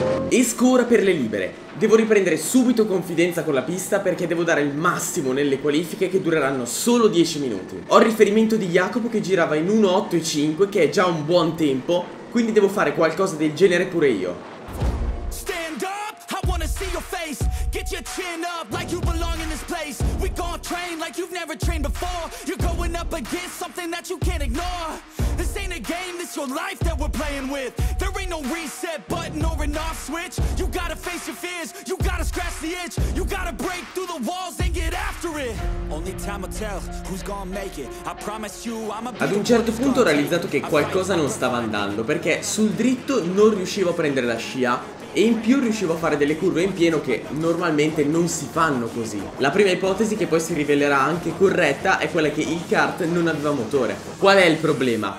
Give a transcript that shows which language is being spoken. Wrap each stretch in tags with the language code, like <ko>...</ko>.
<it>Esco ora per le libere. Devo riprendere subito confidenza con la pista perché devo dare il massimo nelle qualifiche, che dureranno solo 10 minuti. Ho il riferimento di Jacopo che girava in 1:08:05, che è già un buon tempo, quindi devo fare qualcosa del genere pure io.</it> <en>Stand up, I wanna see your face. Get your chin up like you belong in this place. We gonna train like you've never trained before. You're going up against something that you can't ignore. This ain't a game, this your life that we're playing with. There ain't no reset button or an off switch. You gotta face your fears, you gotta scratch the itch. You gotta break through the walls and get after it. Only time will tell who's gonna make it. I promise you I'm a.</en> <it>Ad un certo punto ho realizzato che qualcosa non stava andando, perché sul dritto non riuscivo a prendere la scia e in più riuscivo a fare delle curve in pieno che normalmente non si fanno così. La prima ipotesi, che poi si rivelerà anche corretta, è quella che il kart non aveva motore. Qual è il problema?</it>